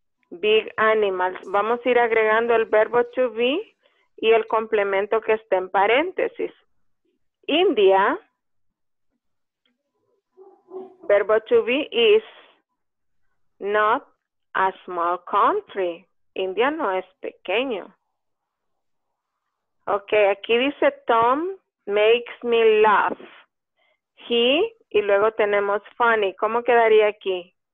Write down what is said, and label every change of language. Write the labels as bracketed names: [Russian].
[English] Big animals, [Spanish] vamos a ir agregando el verbo to be y el complemento que está en paréntesis. [English] India, verbo to be is not a small country. [Spanish] India no es pequeño. Okay, aquí dice [English] Tom makes me laugh. [Spanish] He, y luego tenemos funny. ¿Cómo quedaría aquí?